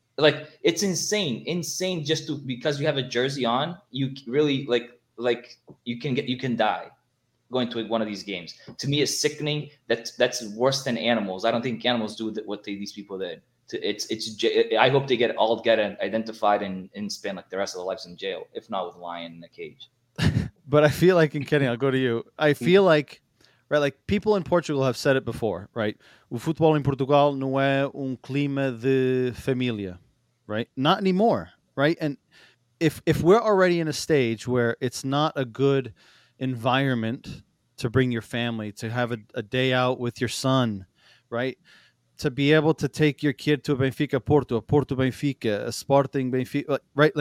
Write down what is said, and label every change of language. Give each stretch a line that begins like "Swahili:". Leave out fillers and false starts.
English: Like, it's insane just to, because you have a jersey on, you really like you can die going to one of these games. To me, it's sickening. That's worse than animals. I don't think animals do what these people did. I hope they get identified and spend like the rest of their lives in jail, if not with a lion in a cage. But I feel like, and Kenny, I'll go to you. I feel like, right, like people in Portugal have said it before, right?
Portuguese: O futebol em Portugal não é clima de família, right?
English: Not anymore, right? And if we're already in a stage where it's not a good environment to bring your family, to have a day out with your son, right? To be able to take your kid to a Benfica Porto, a Porto Benfica, a Sporting Benfica, right?